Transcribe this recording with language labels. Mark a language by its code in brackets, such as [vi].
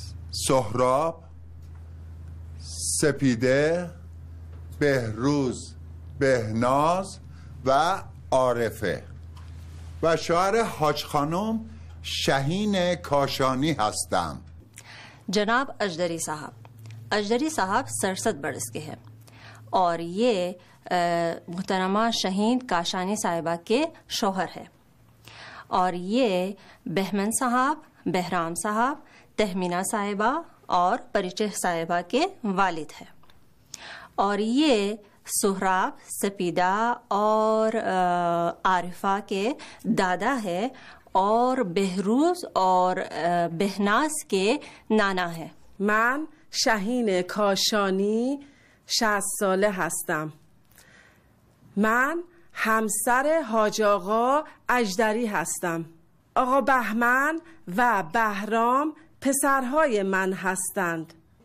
[fa] سهراب، سپیده، بهروز، بهناز و عارفه و شوهر حاج خانم شهین کاشانی هستم. [ur] جناب اژدری صاحب، اژدری صاحب سرصد برس کے ہیں اور یہ محترمہ شهین کاشانی صاحبہ کے شوہر ہے، اور یہ بہمن صاحب، بہرام صاحب، تہمینہ صاحبہ اور پریچہ صاحبہ کے والد ہے، اور یہ سہراب، سپیدہ اور عارفہ کے دادا ہے، اور بہروز اور بہناس کے نانا ہے. [fa] من شاہین کاشانی 60 ساله هستم. من همسر حاج آقا اژدری هستم. آقا بهمن و بهرام پسرهای من هستند.